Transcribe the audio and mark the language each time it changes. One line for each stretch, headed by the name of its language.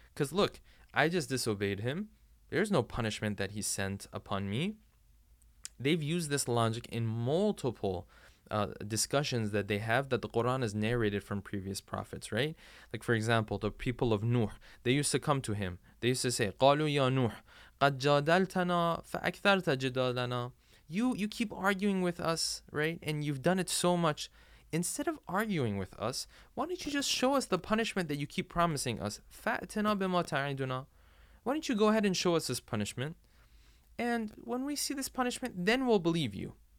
English: Because look, I just disobeyed him. There's no punishment that he sent upon me. They've used this logic in multiple discussions that they have, that the Quran has narrated from previous prophets, right? Like, for example, the people of Nuh, they used to come to him. They used to say,
Arabic: قَالُوا يَا نُوح قَدْ جَادَلْتَنَا فَأَكْثَرْتَ جِدَالَنَا.
English: You keep arguing with us, right? And you've done it so much. Instead of arguing with us, why don't you just show us the punishment that you keep promising us?
Arabic: فَأْتَنَا بِمَا تَعِدُنَا.
English: Why don't you go ahead and show us this punishment? And when we see this punishment, then we'll believe you.